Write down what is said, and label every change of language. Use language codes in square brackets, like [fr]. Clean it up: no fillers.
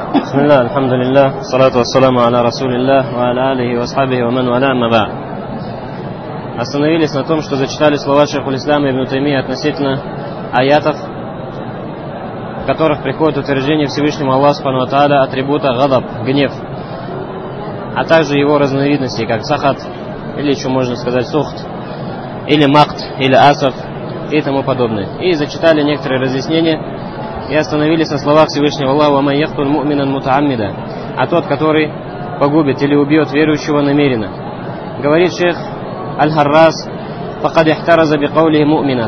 [ar] بسم الله الحمد لله والصلاة والسلام على رسول الله وعلى آله وصحبه ومن والاه ما بعد. [ru] Остановились на том, что зачитали слова шейху ислама ибн Таймия относительно аятов, в которых приходит утверждение Всевышнему Аллаху субхану ва тааля атрибута гадаб, гнев, а также его разновидностей, как сахат, или еще можно сказать сухт, или махт, или асаф и тому подобное. И зачитали некоторые разъяснения и остановились на словах Всевышнего Аллаха [ar] «Ва ман йактуль муъминан мутааммида», [ru] а тот, который погубит или убьет верующего намеренно. Говорит шейх Аль-Харрас, [ar] فقد احترز بقوله مؤمنا.